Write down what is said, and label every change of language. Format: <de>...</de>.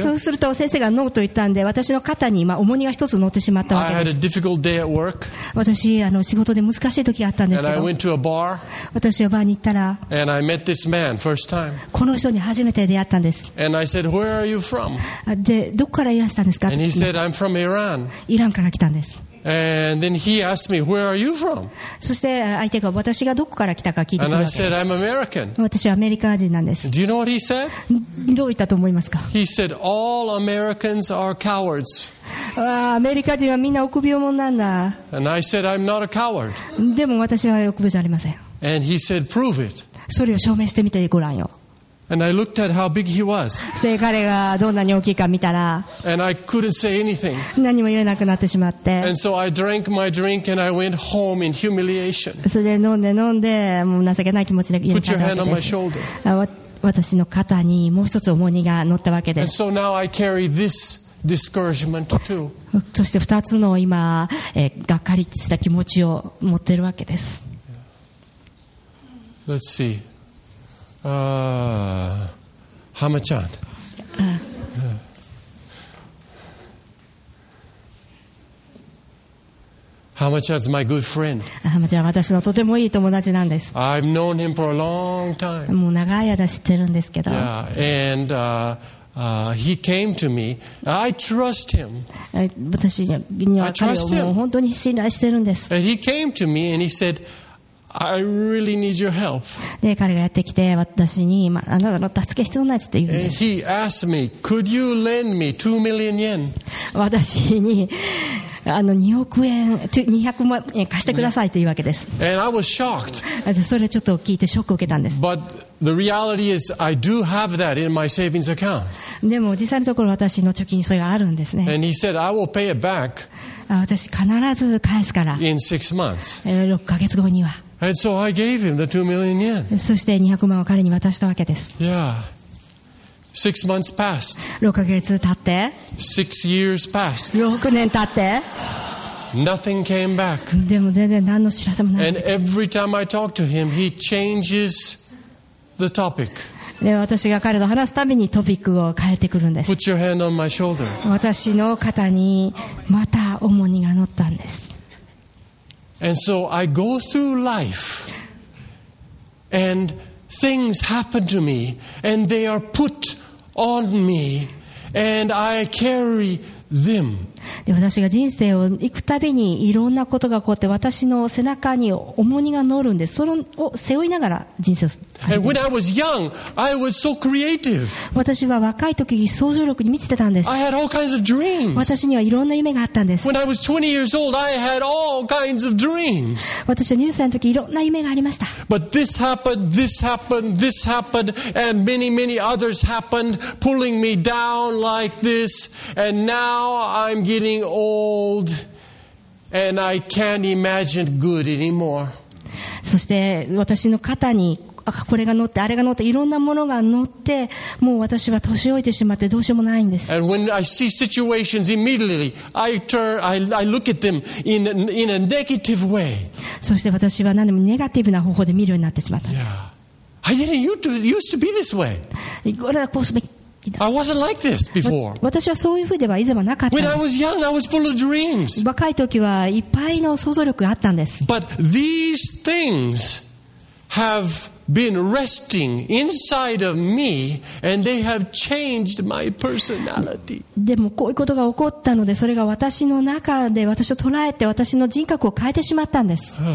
<ja>そうすると先生がノーと言ったんで私の肩に今重荷が一つ乗ってしまったわけです</ja> <en>I had a difficult day at work.</en> <ja>私あの仕事で難しい時があったんですけど</ja> <en>And I went to a bar.</en> <ja>私はバーに行ったら</ja> <en>And I met this man first time.</en> <ja>この人に初めて出会ったんです</ja> <en>And I said, where are you from?</en> <ja>でどこからいらしたんですか</ja> <en>And he said, I'm from Iran.</en> <ja>イランから来たんです</ja> <en>And then he asked me, where are you from?</en> <ja>そして相手が私がどこから来たか聞いてくるわけです。</ja> <en>And I said, I'm American.</en> <ja>私はアメリカ人なんです。</ja> <en>Do you know what he said?</en> <ja>どう言ったと思いますか?</ja> <en>He said, all Americans are cowards.</en> <ja>アメリカ人はみんな臆病者なんだ。</ja> <en>And I said, I'm not a coward.</en> <ja>でも私は臆病じゃありません。</ja> <en>And he said, prove it.</en> <ja>それを証明してみてごらんよ。</ja> <en>And I looked at how big he was.</en> <ja>彼がどんなに大きいか見たら。</ja> <en>And I couldn't say anything.</en> <ja>何も言えなくなってしまって。</ja> <en>And so I drank my drink and I went home in humiliation.</en> <ja>それで飲んで飲んで、もう情けない気持ちで家に帰ったわけです。</ja> <en>Put your hand on my shoulder.</en> <ja>私の肩にもう一つ重荷が乗ったわけです。</ja> <en>And so now I carry this discouragement too.</en> <ja>そして二つの今、がっかりした気持ちを持ってるわけです。</ja> <en>Let's see. Hama-chan. Hama-chan's my good friend.</en> <ja>Hama-chan は私のとてもいい友達なんです。</ja> <en>I've known him for a long time.</en> <ja>もう長い間知ってるんですけど。</ja> <en>Yeah, and he came to me. I trust him.</en> <ja>私には彼を本当に信頼してるんです。</ja> <en>And he came to me and he said,I really need your help.</en> <ja>で彼がやってきて私に、まあなたの助け必要ないって言うんです。</ja> <en>And he asked me, could you lend me 2 million yen?</en> <ja>私にあの2億円、200万円貸してくださいというわけです。</ja> <en>And I was shocked.</en> <ja>それちょっと聞いてショックを受けたんです。</ja> <en>But the reality is, I do have that in my savings account.</en> <ja>でも実際のところ私の貯金にそれがあるんですね。</ja> <en>And he said, I will pay it back.</en> <ja>私必ず返すから。</ja> <en>In 6 months.</en> <ja>6ヶ月後には。</ja> <en>And so I gave him the 2 million yen.</en> <ja>そして200万を彼に渡したわけです。</ja> <en>Yeah. 6 months passed.</en> <ja>6ヶ月経って。</ja> <en>6 years passed.</en> <ja>6年経って。</ja> <en>Nothing came back.</en> <ja>でも全然何の知らせもないんです。</ja> <en>And every time I talk to him, he changes the topic.</en> <ja>で私が彼と話すたびにトピックを変えてくるんです。</ja> <en>Put your hand on my shoulder.</en> <ja>私の肩にまた重荷が乗ったんです。</ja> <en>And so I go through life, and things happen to me, and they are put on me, and I carry them.</en> <ja>で私が人生を行くたびにいろんなことが起こって私の背中に重荷が乗るんです。それを背負いながら人生を歩んでいます。</ja> <en>And when I was young, I was so creative.</en> <ja>私は若い時想像力に満ちてたんです。</ja> <en>I had all kinds of dreams.</en> <ja>私にはいろんな夢があったんです。</ja> <en>When I was 20 years old, I had all kinds of dreams.</en> <ja>私は20歳の時いろんな夢がありました。</ja> <en>But this happened, this happened, this happened, and many, many others happened, pulling me down like this, and now I'm getting old, and I can't imagine good anymore.</en> <ja>そして私の肩にこれが乗ってあれが乗っていろんなものが乗ってもう私は年老いてしまってどうしようもないんです。</ja> <en>And when I see situations immediately, I look at them in a negative way.</en> <ja>そして私は何でもネガティブな方法で見るようになってしまったんです。</ja> <en>Yeah. I didn't used to be this way.</en> <ja>これはこうすべき。</ja> <en>I wasn't like this before.</en> <ja>私はそういうふうでは以前はなかったんです。</ja> <en>When I was young, I was full of dreams.</en> <ja>若い時はいっぱいの想像力があったんです。</ja> <en>But these things have been resting inside of me, and they have changed my personality.</en> <ja>でもこういうことが起こったので、それが私の中で私を捉えて私の人格を変えてしまったんです。</ja>